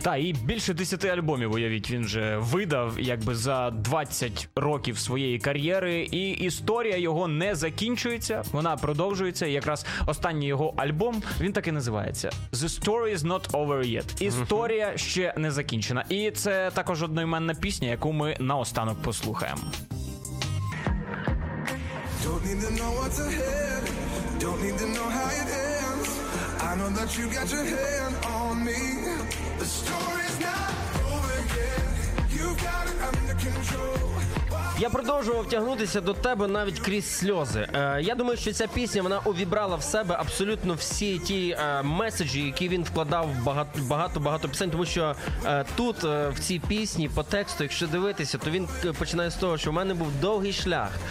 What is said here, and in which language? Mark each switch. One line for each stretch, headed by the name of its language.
Ukrainian: Так, і більше 10 альбомів, уявіть, він же видав, якби, за 20 років своєї кар'єри, і історія його не закінчується, вона продовжується, якраз останній його альбом, він так і називається.
English: «The story is not over yet».
Ukrainian: Історія ще не закінчена. І це також одне одноіменна пісня, яку ми наостанок послухаємо.
English: Don't need to know what's ahead. Don't need to know how it ends. I know that you got your hand on me. The story's not over yet. You've got it under control.
Ukrainian: Я продовжував тягнутися до тебе навіть крізь сльози. Я думаю, що ця пісня, вона увібрала в себе абсолютно всі ті меседжі, які він вкладав в багато-багато пісень. Тому що тут, в цій пісні, по тексту, якщо дивитися, то він починає з того, що в мене був довгий шлях.